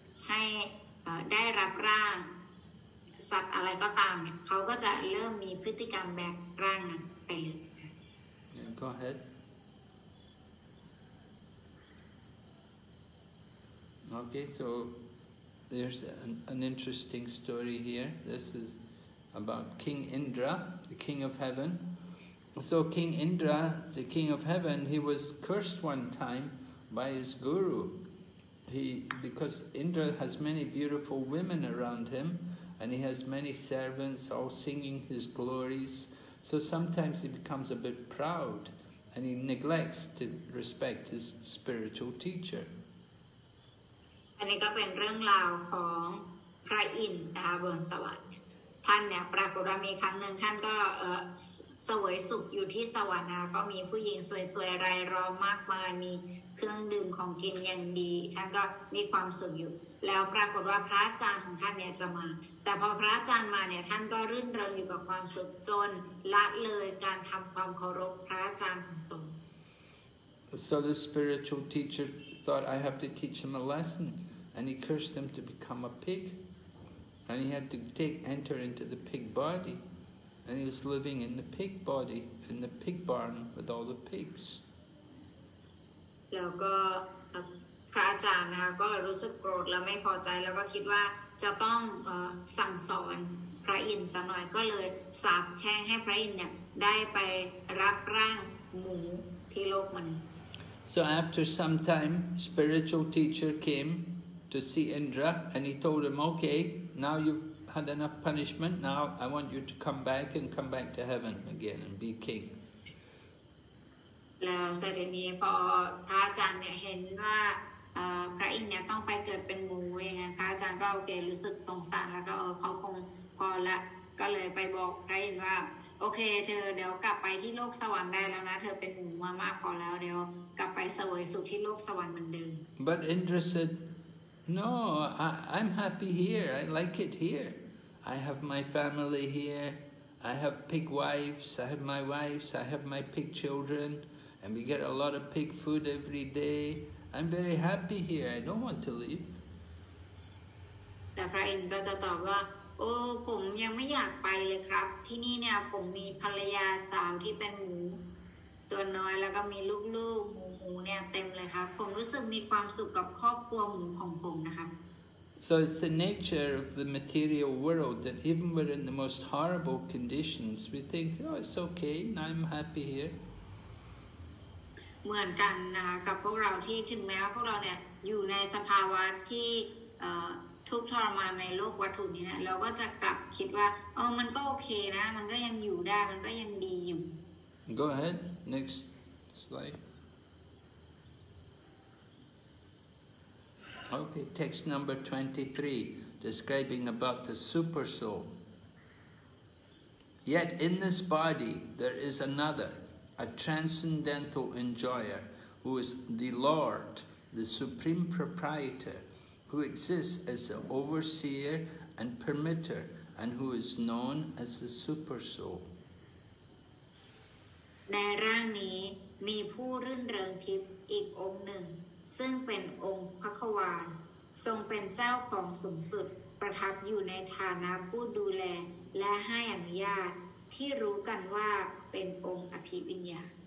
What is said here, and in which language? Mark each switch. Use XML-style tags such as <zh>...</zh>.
<th>ให้ได้รับร่างสัตว์อะไรก็ตามเนี่ยเขาก็จะเริ่มมีพฤติกรรมแบบร่างนั้นไปเลย</th> <en>yeah, go ahead okay so there's an interesting story here this is about King Indra the king of heaven so King Indra the king of heaven he was cursed one time by his guru because Indra has many beautiful women around him and he has many servants all singing his glories so sometimes he becomes a bit proud and he neglects to respect his spiritual teacher</en> <th>อันนี้ก็เป็นเรื่องราวของพระอินทร์นะคะบนสวรรค์ท่านเนี่ยปรากฏว่ามีครั้งหนึ่งท่านก็เสวยสุขอยู่ที่สวรรค์ก็มีผู้หญิงสวยๆรายล้อมมากมายมีเครื่องดื่มของกินอย่างดีท่านก็มีความสุขอยู่แล้วปรากฏว่าพระอาจารย์ของท่านเนี่ยจะมาแต่พอพระอาจารย์มาเนี่ยท่านก็รื่นเริงอยู่กับความสุขจนละเลยการทำความเคารพพระอาจารย์ของตน</th> <en>So the spiritual teacher thought I have to teach him a lesson and he cursed him to become a pig and he had to enter into the pig body and he was living in the pig body in the pig barn with all the pigs.</en> <th>แล้วก็พระอาจารย์นะคะก็รู้สึกโกรธและไม่พอใจแล้วก็คิดว่าจะต้องสั่งสอนพระอินทร์สักหน่อยก็เลยสาปแช่งให้พระอินทร์เนี่ยได้ไปรับร่างหมูที่โลกมนุษย์</th> <en>So after some time spiritual teacher came to see Indra and he told him okay now you've had enough punishment now I want you to come back and come back to heaven again and be king.</en> <th>แล้วเสด็จนี้พอพระอาจารย์เนี่ยเห็นว่าพระอินทร์เนี่ยต้องไปเกิดเป็นหมูอย่างนั้นพระอาจารย์ก็โอเครู้สึกสงสารแล้วก็เขาคงพอละก็เลยไปบอกพระอินทร์ว่าโอเคเธอเดี๋ยวกลับไปที่โลกสวรรค์ได้แล้วนะเธอเป็นหมูมามากพอแล้วเดี๋ยวกลับไปเสวยสุขที่โลกสวรรค์เหมือนเดิม</th> <en>But Indra said no I'm happy here I like it here I have my family here I have pig wives I have my wives I have my pig childrenAnd we get a lot of pig food every day. I'm very happy here. I don't want to leave.</en> <th>แต่พระอินทร์ก็จะตอบว่าโอ้ผมยังไม่อยากไปเลยครับที่นี่เนี่ยผมมีภรรยาสาวที่เป็นหมูตัวน้อยแล้วก็มีลูกๆหมูๆเนี่ยเต็มเลยครับผมรู้สึกมีความสุขกับครอบครัวหมูของผมนะครับ</th> <en>So it's the nature of the material world that even we're in the most horrible conditions, we think, oh, it's okay. I'm happy here.</en> <th>เหมือนกันนะกับพวกเราที่ถึงแม้ว่าพวกเราเนี่ยอยู่ในสภาวะที่ทุกข์ทรมานในโลกวัตถุนี้นะเราก็จะกลับคิดว่าเออมันก็โอเคนะมันก็ยังอยู่ได้มันก็ยังดีอยู่</th> <en>Go ahead next slide Okay text number 23 describing about the super soul Yet in this body there is anotherA transcendental enjoyer, who is the Lord, the supreme proprietor, who exists as the overseer and permitter, and who is known as the super soul.</en> <th>ในร่างนี้มีผู้รื่นเริงทิพย์อีกองค์หนึ่งซ ซึ่งเป็นองค์พระควานทรงเป็นเจ้าของสูงสุดประทับอยู่ในฐานะผู้ดูแลและให้อนุญาตที่รู้กันว่าเป็นองค์อภิวิญญา</th>